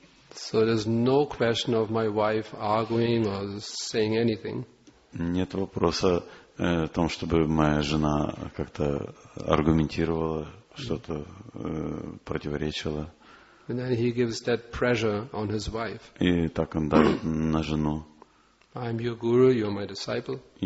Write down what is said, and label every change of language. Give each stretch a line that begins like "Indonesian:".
English: So there's no question of my wife arguing or saying anything.
Russian: Нет вопроса о том, чтобы моя жена как-то аргументировала что-то, противоречила.
English: And then he gives that pressure on his wife.
Russian: И так он давит на жену.
English: I'm your guru, you're my disciple.